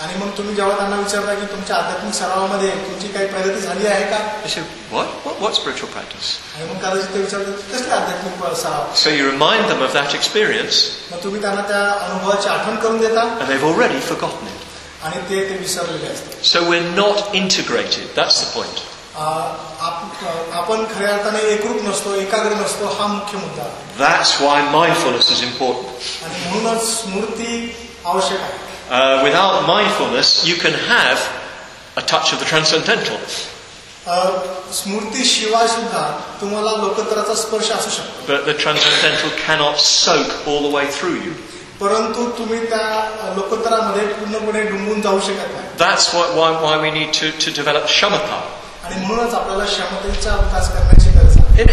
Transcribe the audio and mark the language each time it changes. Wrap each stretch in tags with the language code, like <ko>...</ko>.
<en>What spiritual practice? So you remind them of that experience, and they've already forgotten it. So we're not integrated, that's the point.</en> <mr>आपण खऱ्या अर्थाने एकरूप नसतो, एकाग्र नसतो, हा मुख्य मुद्दा.</mr> <en>That's why mindfulness is important.</en> <mr>आणि म्हणूनच स्मृती आवश्यक आहे.</mr> <en>Without mindfulness, you can have a touch of the transcendental.</en> <mr>स्मृतीशिवाय सुद्धा तुम्हाला लोकत्राचा स्पर्श असू शकतो.</mr> <en>But the transcendental cannot soak all the way through you.</en> <mr>परंतु तुम्ही त्या लोकत्रामध्ये पूर्णपणे डुंबून जाऊ शकत नाही.</mr> <en>That's why we need to develop shamatha.</en> <mr>आणि म्हणूनच आपल्याला शमतेचा अभ्यास करण्याची गरज आहे.</mr>